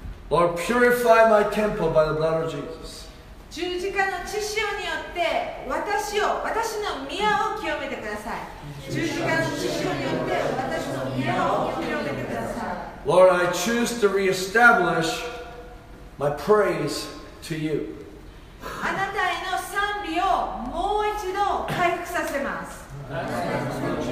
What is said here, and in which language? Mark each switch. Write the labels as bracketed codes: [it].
[en] Lord, purify my temple by the blood of Jesus. [ja] 十字架の血潮によって私を、私の宮を清めてください。十字架の血潮によって私の宮を清めてください。 [en] Lord, I choose to reestablish my praise to you. [ja] あなたへの賛美をもう一度回復させます。